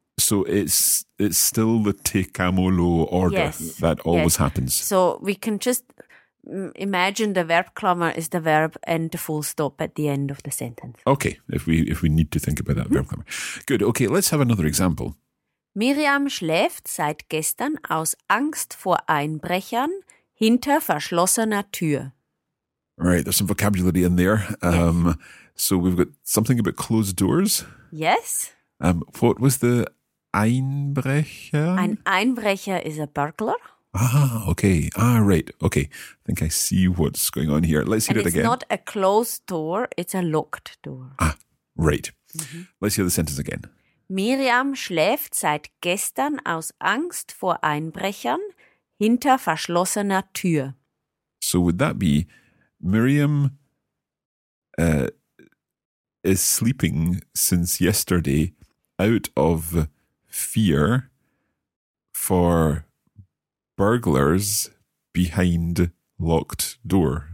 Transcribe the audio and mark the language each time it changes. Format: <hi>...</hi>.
<en>So it's still the tekamolo order that always happens. So we can just imagine the verb klammer is the verb and the full stop at the end of the sentence. Okay, if we need to think about that verb klammer. Good, okay, let's have another example.</en> <de>Miriam schläft seit gestern aus Angst vor Einbrechern hinter verschlossener Tür.</de> <en>Right, there's some vocabulary in there. So we've got something about closed doors. Yes. What was the Einbrecher? Ein Einbrecher is a burglar. Ah, okay. Ah, right. Okay. I think I see what's going on here. Let's hear it again. It's not a closed door, it's a locked door. Ah, right. Mm-hmm. Let's hear the sentence again.</en> <de>Miriam schläft seit gestern aus Angst vor Einbrechern hinter verschlossener Tür.</de> <en>So would that be, Miriam is sleeping since yesterday out of fear for burglars behind locked door.</en>